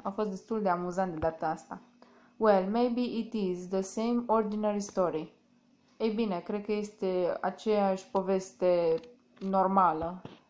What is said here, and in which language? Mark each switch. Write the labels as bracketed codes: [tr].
[ro] A fost destul de amuzant de data asta. [en] Well, maybe it is the same ordinary story. [ro] Ei bine, cred că este aceeași poveste normală.